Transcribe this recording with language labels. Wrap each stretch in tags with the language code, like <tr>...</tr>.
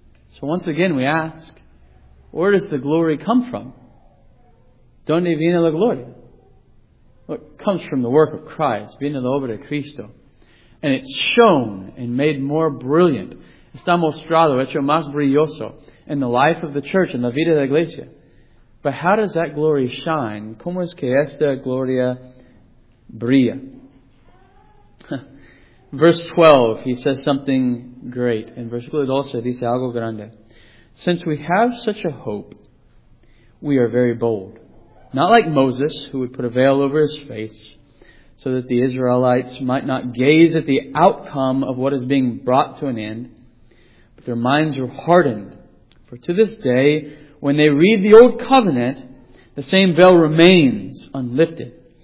<en>So once again we ask, where does the glory come from?</en> <es>¿Dónde viene la gloria?</es> <en>Well, it comes from the work of Christ,</en> <es>viene la obra de Cristo.</es> <en>And it's shown and made more brilliant.</en> <es>Está mostrado, hecho más brilloso</es> <en>in the life of the church,</en> <es>in la vida de la iglesia.</es> <en>But how does that glory shine?</en> <es>¿Cómo es que esta gloria brilla?</es> <en>Verse 12, he says something great. En versículo 12, dice algo grande. Since we have such a hope, we are very bold. Not like Moses, who would put a veil over his face, so that the Israelites might not gaze at the outcome of what is being brought to an end. But their minds were hardened. For to this day, when they read the old covenant, the same veil remains unlifted.</en>